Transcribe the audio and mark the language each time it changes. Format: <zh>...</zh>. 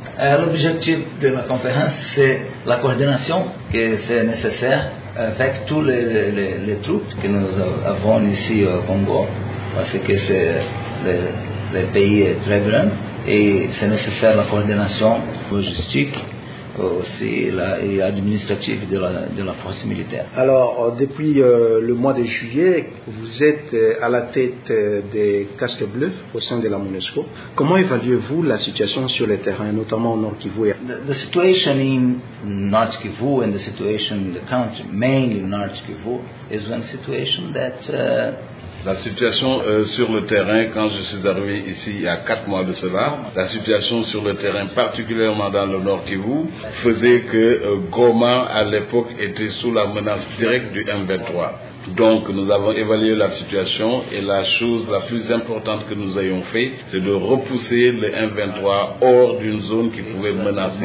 <fr>L'objectif de la conférence, c'est la coordination qui est nécessaire avec tous les troupes que nous avons ici au Congo, parce que c'est le pays est très grand et c'est nécessaire la coordination logistique aussi et administrative de la force militaire. Alors, depuis le mois de juillet, vous êtes à la tête des casques bleus au sein de la MONUSCO. Comment évaluez-vous la situation sur le terrain, notamment au Nord Kivu?</fr> <en>The situation in Nord Kivu and the situation in the country, mainly in Nord Kivu, is one situation that...</en> <fr>La situation sur le terrain, quand je suis arrivé ici il y a 4 mois de cela, la situation sur le terrain, particulièrement dans le Nord Kivu, faisait que Goma, à l'époque, était sous la menace directe du M23. Donc, nous avons évalué la situation et la chose la plus importante que nous ayons fait, c'est de repousser le M23 hors d'une zone qui pouvait menacer.</fr>